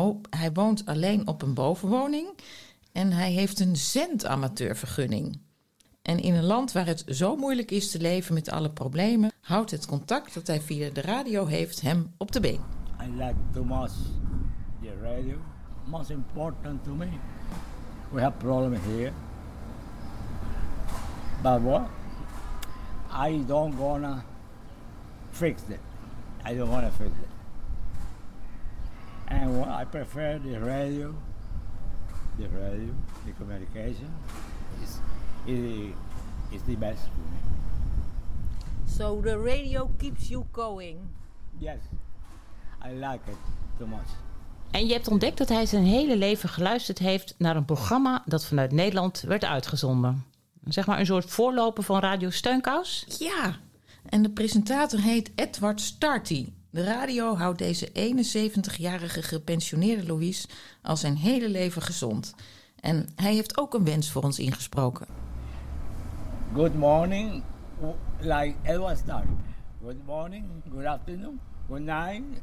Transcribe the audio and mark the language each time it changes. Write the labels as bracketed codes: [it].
[nl] Hij woont alleen op een bovenwoning. En hij heeft een zendamateurvergunning. En in een land waar het zo moeilijk is te leven met alle problemen, houdt het contact dat hij via de radio heeft hem op de been. [en] I like Thomas, the radio. Most important to me. We have problem here, but what? I don't gonna fix it. I don't wanna fix it. And what I prefer the radio, the communication is the best for me. So the radio keeps you going. Yes, I like it too much. [nl] En je hebt ontdekt dat hij zijn hele leven geluisterd heeft naar een programma dat vanuit Nederland werd uitgezonden. Zeg maar een soort voorloper van Radio Steunkous? Ja, en de presentator heet Edward Starty. De radio houdt deze 71-jarige gepensioneerde Louise al zijn hele leven gezond. En hij heeft ook een wens voor ons ingesproken. [en] Good morning, like it was dark. Good morning, good afternoon, good night.